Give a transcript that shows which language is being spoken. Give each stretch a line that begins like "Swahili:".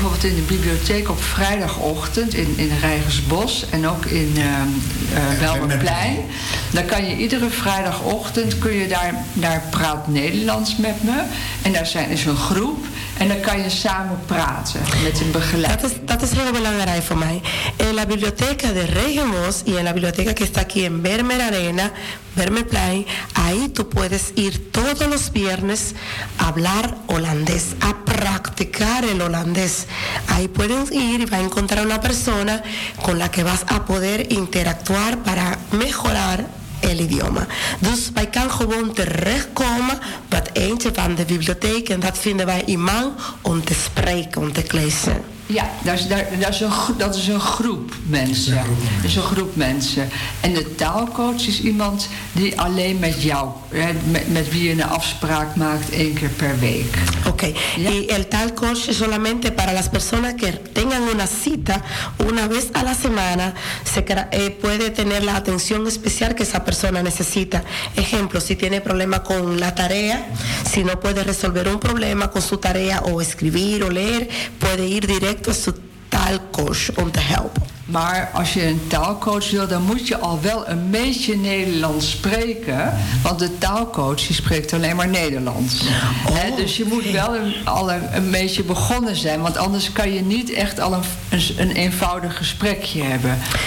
Dutch: Bijvoorbeeld in de bibliotheek op vrijdagochtend in Rijgersbos en ook in Belmerplein. Dan kan je iedere vrijdagochtend, kun je daar praat Nederlands met me. En daar is een groep. En dan kan je samen praten met een begeleider. Dat is heel belangrijk voor mij. In de bibliotheek de Rijgersbos en in de bibliotheek
Spanish: que está aquí en Bermer Arena, Bermer Plain, ahí tú puedes ir todos los viernes a hablar holandés, a practicar el holandés. Ahí puedes ir y vas a encontrar una persona con la que vas a poder interactuar para mejorar el idioma.
Dutch: Dus wij kan gewoon terechtkomen bij eentje van de bibliotheek en dat vinden wij iemand om te spreken, om te lezen. Ja, dat is een groep mensen. Dat is een groep mensen. En de taalcoach is iemand die alleen met jou, met wie je een afspraak maakt één keer per week. Oké. Okay.
Spanish: Ja? Y el taalcoach es solamente para las personas que tengan una cita una vez a la semana, puede tener la atención especial que esa persona necesita. Ejemplo, si tiene problema con la tarea, si no puede resolver un problema con su tarea o escribir o leer, puede ir directo a su taalcoach
Dutch: om te helpen. Maar als je een taalcoach wil, dan moet je al wel een beetje Nederlands spreken. Want de taalcoach die spreekt alleen maar Nederlands. Oh, he, dus je moet wel al een beetje begonnen zijn. Want anders kan je niet echt al een eenvoudig gesprekje hebben.